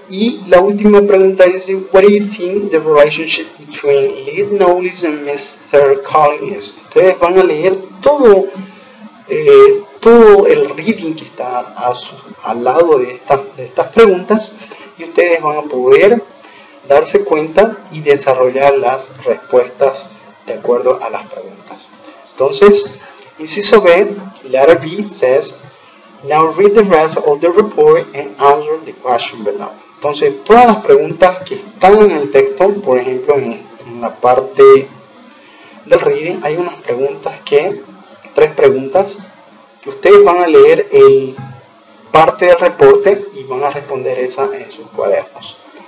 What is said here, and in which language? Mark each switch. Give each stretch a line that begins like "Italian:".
Spanish: Y la última pregunta es,
English: what do you think the relationship between Lead Knowles and Mr. Collins is?
Spanish: Ustedes van a leer todo el reading que está al lado de estas preguntas, y ustedes van a poder darse cuenta y desarrollar las respuestas de acuerdo a las preguntas. Entonces, inciso B,
English: letter B says, now read the rest of the report and answer the question below.
Spanish: Entonces, todas las preguntas que están en el texto, por ejemplo, en la parte del reading, hay unas preguntas que, tres preguntas, que ustedes van a leer el parte del reporte y van a responder esa en sus cuadernos.